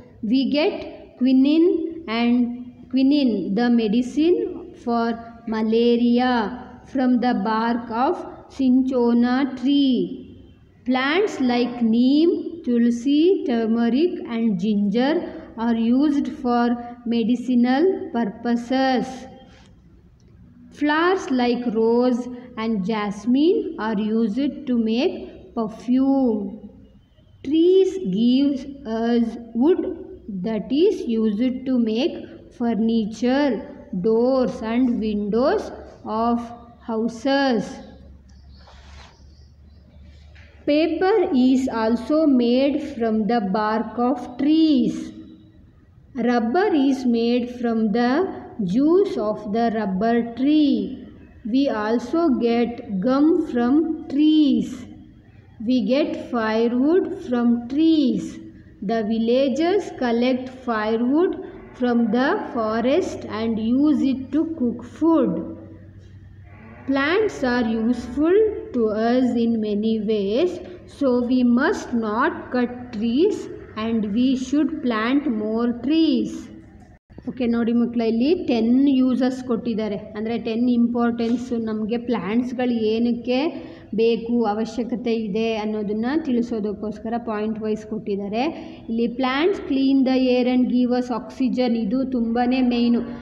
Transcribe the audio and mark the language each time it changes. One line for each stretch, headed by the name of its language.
English: We get quinine and quinine, the medicine for malaria, from the bark of cinchona tree. Plants like neem, tulsi, turmeric and ginger are used for medicinal purposes. Flowers like rose and jasmine are used to make perfume. Trees give us wood that is used to make furniture, doors and windows of houses. Paper is also made from the bark of trees. Rubber is made from the juice of the rubber tree. We also get gum from trees. We get firewood from trees. The villagers collect firewood from the forest and use it to cook food. Plants are useful to us in many ways, so we must not cut trees and we should plant more trees.
Kannada: Okay ನೋಡಿ ಮಕ್ಕಳ, ಇಲ್ಲಿ 10 uses ಕೊಟ್ಟಿದ್ದಾರೆ, ಅಂದರೆ 10 importance ನಮಗೆ ಪ್ಲ್ಯಾಂಟ್ಸ್ಗಳು ಏನಕ್ಕೆ ಬೇಕು, ಅವಶ್ಯಕತೆ ಇದೆ ಅನ್ನೋದನ್ನು ತಿಳಿಸೋದಕ್ಕೋಸ್ಕರ ಪಾಯಿಂಟ್ ವೈಸ್ ಕೊಟ್ಟಿದ್ದಾರೆ.
English: ಇಲ್ಲಿ plants clean the air and give us oxygen,
Kannada: ಇದು ತುಂಬಾ ಮೇಯ್ನು.